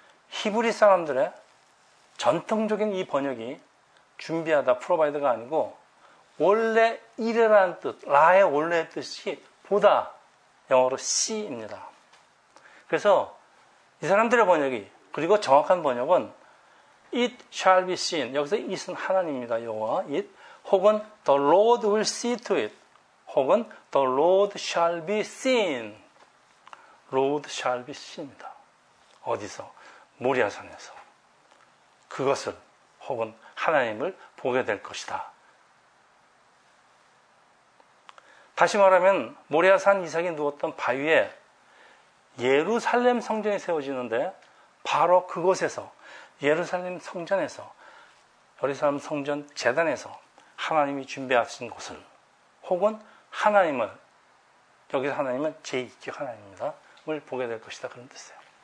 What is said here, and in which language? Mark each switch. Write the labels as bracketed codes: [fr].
[ko] 히브리 사람들의 전통적인 이 번역이 준비하다, 프로바이더가 아니고 원래 이래라는 뜻, 라의 원래 뜻이 보다, 영어로 see입니다. 그래서 이 사람들의 번역이, 그리고 정확한 번역은 [en] It shall be seen. [ko] 여기서 it은 하나님입니다. 여호와 it. 혹은 [en] the Lord will see to it. 혹은 the Lord shall be seen. Lord shall be seen입니다. [ko] 어디서? 모리아산에서. 그것을 혹은 하나님을 보게 될 것이다. 다시 말하면 모리아산 이삭이 누웠던 바위에 예루살렘 성전이 세워지는데 바로 그곳에서 예루살렘 성전에서 예루살렘 성전 제단에서 하나님이 준비하신 곳을 혹은 하나님을 여기서 하나님은 제2직 하나님입니다. 을 보게 될 것이다. 그런 뜻이에요.